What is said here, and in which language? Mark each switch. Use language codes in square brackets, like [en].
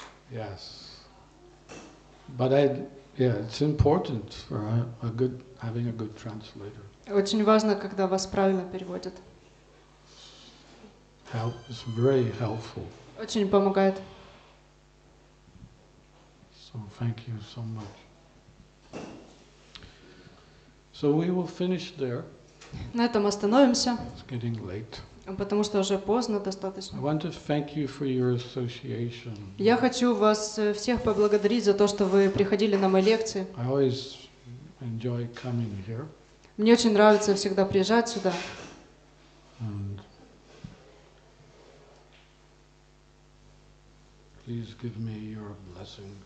[en] Yes, but it's important for having a good translator. [ru] Очень важно, когда вас правильно переводят. [en] Help is very helpful. [ru] Очень помогает. [en] So thank you so much. So we will finish there. [ru] На этом остановимся. [en] It's getting late. [ru] Потому что уже поздно достаточно. [en] I want to thank you for your association. [ru] Я хочу вас всех поблагодарить за то, что вы приходили на мои лекции. [en] I always enjoy coming here. [ru] Мне очень нравится всегда приезжать сюда. [en] And please give me your blessings.